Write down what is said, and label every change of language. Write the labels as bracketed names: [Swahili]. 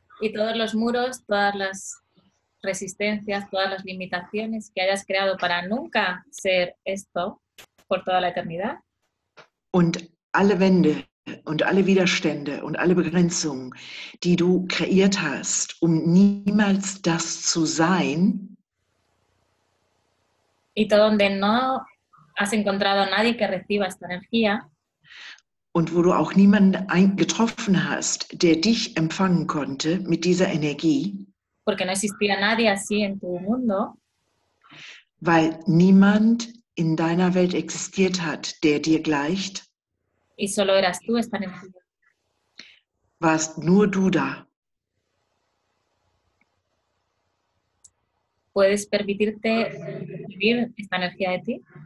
[Spanish] Y todos los muros, todas las resistencias, todas las limitaciones que hayas creado para nunca ser esto por toda la eternidad. [German] Und alle Wände. Und alle Widerstände und alle Begrenzungen, die du kreiert hast, um niemals das zu sein. [Spanish] Y todo donde no has encontrado a nadie que reciba esta energía. [German] Und wo du auch niemanden getroffen hast, der dich empfangen konnte mit dieser Energie. [Spanish] Porque no existía nadie así en tu mundo. [German] Weil niemand in deiner Welt existiert hat, der dir gleicht. [Spanish] Y solo eras tú esta energía. [German] Warst nur du da. [Spanish] ¿Puedes permitirte vivir esta energía de ti?